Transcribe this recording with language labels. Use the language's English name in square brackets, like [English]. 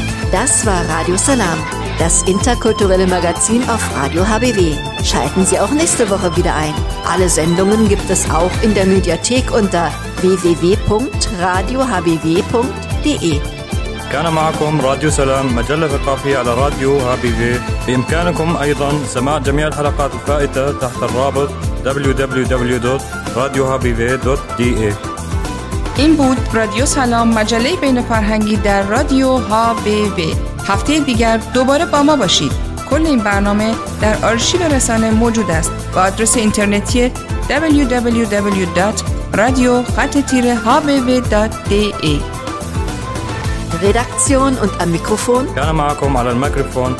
[German] Das war Radio Salam, das interkulturelle Magazin auf Radio HBW. Schalten Sie auch nächste Woche wieder ein. Alle Sendungen gibt es auch in der Mediathek unter www.radiohbw.de. [Arabic] كان معكم راديو سلام مجلة ثقافية على راديو HBW. بإمكانكم أيضا سماع جميع الحلقات الفائتة تحت الرابط www.radiohbw.de. [Persian] این بود رادیو سلام، مجله بین فرهنگی در رادیو HBW. هفته دیگر دوباره با ما باشید. کل این برنامه در آرشیو رسانه موجود است با آدرس اینترنتی www.radio-hbw.de. [German] Redaktion und am Mikrofon [Arabic] Jana Markum على المايكروفون.